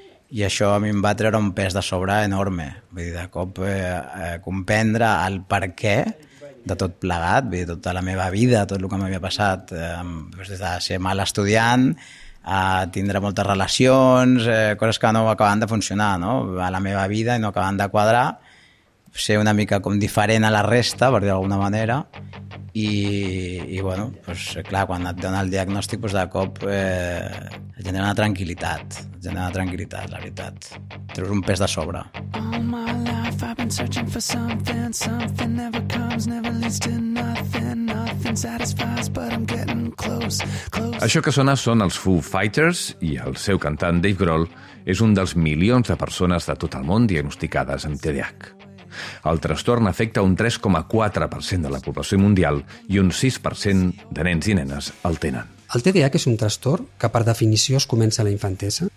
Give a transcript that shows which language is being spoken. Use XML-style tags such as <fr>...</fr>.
<ca>I això a mi em va treure un pes de sobre enorme. Vull dir, de cop comprendre el per què de tot plegat, vull dir, tota la meva vida, tot el que m'havia passat, des de ser mal estudiant, a tindre moltes relacions, coses que no acaben de funcionar, no? A la meva vida i no acaben de quadrar, ser una mica com diferent a la resta, per dir d'alguna manera, i bueno, pues, clar, quan et dona el diagnòstic, pues, de cop et genera una tranquil·litat, la veritat. Treus un pes de sobre.</ca> <en>All my life I've been searching for something, something never comes, never leads to nothing, nothing satisfies, but I'm getting close, close.</en> <ca>Això que sona són els Foo Fighters i el seu cantant Dave Grohl és un dels milions de persones de tot el món diagnosticades amb TDAH. El trastorn afecta un 3,4% de la població mundial i un 6% de nens i nenes el tenen. El TDAH és un trastorn que, per definició, es comença a la infantesa.</ca>